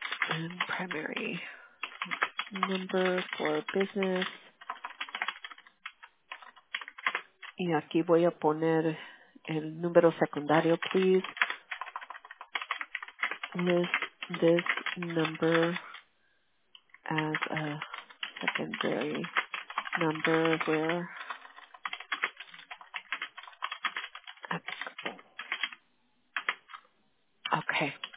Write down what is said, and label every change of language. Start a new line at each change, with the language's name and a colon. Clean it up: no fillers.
English: And primary number for business.
Spanish: Y aquí voy a poner el número secundario, please.
English: List this number as a secondary number where okay.